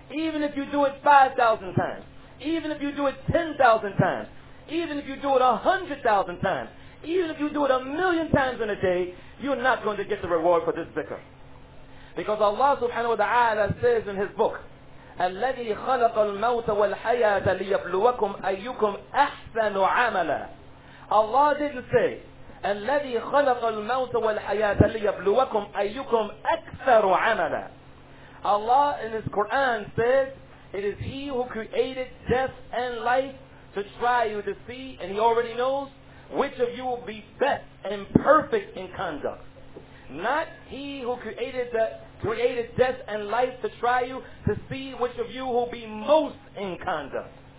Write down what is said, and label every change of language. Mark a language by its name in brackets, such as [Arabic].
[English] Even if you do it 5,000 times, even if you do it 10,000 times, even if you do it 100,000 times, even if you do it 1,000,000 times in a day, you're not going to get the reward for this zikr. Because Allah subhanahu wa ta'ala says in his book, الَّذِي خَلَقَ الْمَوْتَ وَالْحَيَاةَ لِيَبْلُوَكُمْ أَيُّكُمْ أَحْسَنُ عَمَلًا. [Arabic] Allah didn't say, الَّذِي خَلَقَ الْمَوْتَ وَالْحَيَاةَ لِيَبْلُوَكُمْ أَيُّكُمْ أَكْثَرُ عَمَلًا. [English] Allah in His Quran says, it is He who created death and life to try you to see, and He already knows, which of you will be best and perfect in conduct. Not He who created death and life to try you to see which of you will be most in conduct.